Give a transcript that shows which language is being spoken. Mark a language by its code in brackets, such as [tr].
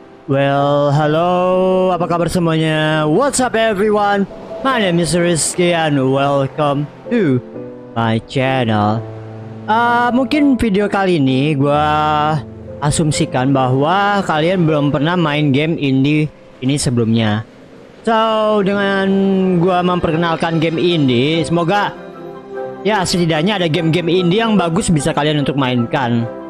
[en] Well, hello, [id] apa kabar semuanya? [en] What's up everyone? My name is Rizky and welcome to my channel. [id] Mungkin video kali ini gue asumsikan bahwa kalian belum pernah main game indie ini sebelumnya. So, dengan gue memperkenalkan game indie, semoga ya setidaknya ada game-game indie yang bagus bisa kalian untuk mainkan.